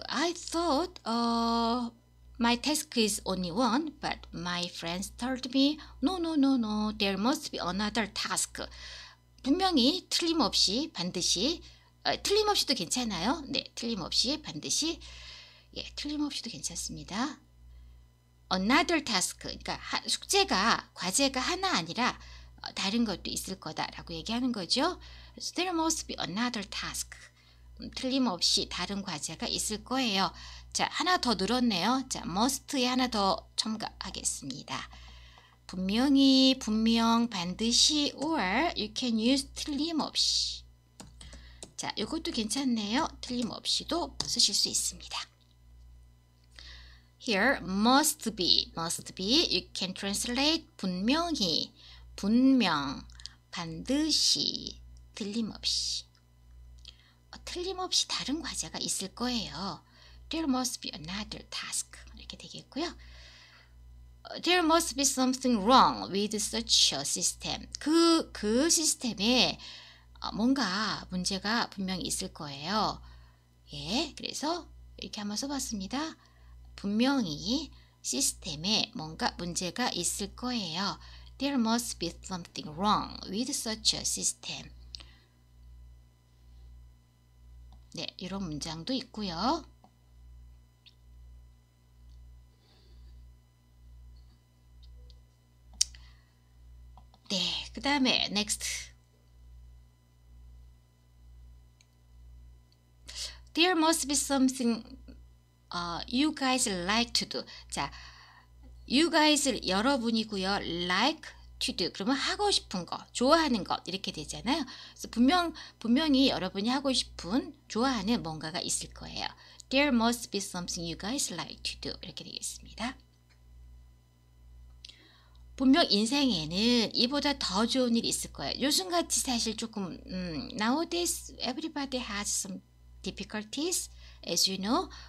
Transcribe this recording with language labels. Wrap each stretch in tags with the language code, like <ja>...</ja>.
<en>I thought my task is only one, but my friends told me, no, there must be another task.</en> <ko>분명히 틀림없이 반드시, 틀림없이도 괜찮아요. 네, 틀림없이 반드시, 예, 틀림없이도 괜찮습니다.</ko> <en>Another task,</en> <ko>그러니까 숙제가, 과제가 하나 아니라 다른 것도 있을 거다라고 얘기하는 거죠.</ko> <en>So there must be another task.</en> <ko>틀림없이 다른 과제가 있을 거예요. 자, 하나 더 늘었네요. 자, must에 하나 더 첨가하겠습니다. 분명히, 분명, 반드시,</ko> <en>or you can use</en> <ko>틀림없이. 자, 이것도 괜찮네요. 틀림없이도 쓰실 수 있습니다.</ko> <en>Here, must be, must be. You can translate</en> <ko>분명히, 분명, 반드시. 틀림없이 틀림없이 다른 과제가 있을 거예요.</ko> <en>There must be another task.</en> <ko>이렇게 되겠고요.</ko> <en>There must be something wrong with such a system.</en> <ko>그 시스템에 뭔가 문제가 분명히 있을 거예요. 예, 그래서 이렇게 한번 써봤습니다. 분명히 시스템에 뭔가 문제가 있을 거예요.</ko> <en>There must be something wrong with such a system.</en> <ko>네, 이런 문장도 있고요. 네, 그 다음에 next.</ko> <en>There must be something you guys like to do. 자, you guys,</en> <ko>여러분이고요.</ko> <en>Like to do.</en> <ko>그러면 하고 싶은 거, 좋아하는 것 이렇게 되잖아요. 그래서 분명히 여러분이 하고 싶은, 좋아하는 뭔가가 있을 거예요.</ko> <en>There must be something you guys like to do.</en> <ko>이렇게 되겠습니다. 분명 인생에는 이보다 더 좋은 일이 있을 거예요. 요즘같이 사실 조금</ko> <en>nowadays everybody has some difficulties as you know.</en>